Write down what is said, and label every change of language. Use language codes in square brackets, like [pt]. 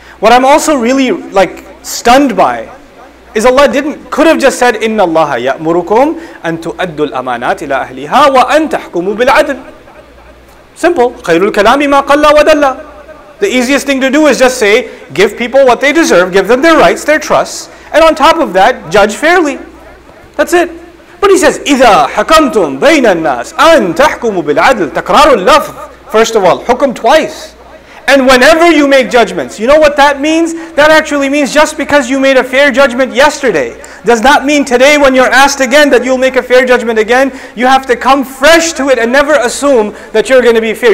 [en] What I'm also really like stunned by is Allah could have just said, [ar] إِنَّ اللَّهَ يَأْمُرُكُمْ أَن تُؤَدُّوا الْأَمَانَاتِ إِلَىٰ أَهْلِهَا وَأَن تَحْكُمُوا بِالْعَدْلِ. [en] Simple. [ar] خَيْرُ الْكَلَامِ مَا قَلَّ وَدَلَّ. [en] The easiest thing to do is just say, give people what they deserve, give them their rights, their trusts, and on top of that, judge fairly. That's it. But he says, [ar] إِذَا حَكَمْتُمْ بَيْنَ النَّاسِ أَن تَحْكُمُوا بِالْعَدْلِ. تَكْرَارُ اللَّفْظِ. [en] First of all, hukum twice. And whenever you make judgments, you know what that means? That actually means just because you made a fair judgment yesterday does not mean today when you're asked again that you'll make a fair judgment again. You have to come fresh to it and never assume that you're going to be fair.